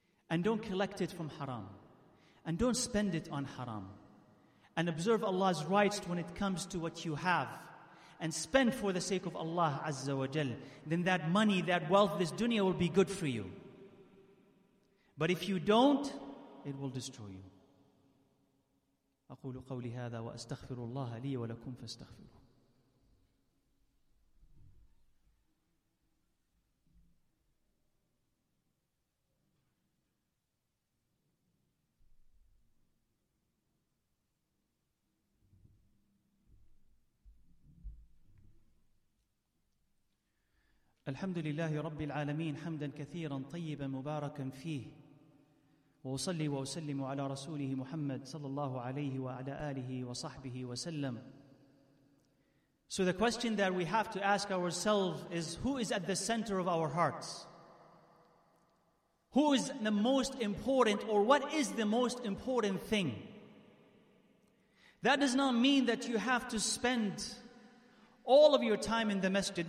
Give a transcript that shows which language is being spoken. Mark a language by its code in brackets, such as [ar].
[en] And don't collect it from haram. And don't spend it on haram. And observe Allah's rights when it comes to what you have. And spend for the sake of Allah Azza wa Jal. Then that money, that wealth, this dunya will be good for you. But if you don't, it will destroy you. [ar] أقول قولي هذا وأستغفر الله لي ولكم فاستغفروه الحمد لله رب العالمين حمدا كثيرا طيبا مباركا فيه وأصلي وأسلم على رسوله محمد صلى الله عليه وعلى آله وصحبه وسلم. [en] So the question that we have to ask ourselves is, who is at the center of our hearts? Who is the most important, or what is the most important thing? That does not mean that you have to spend all of your time in the masjid.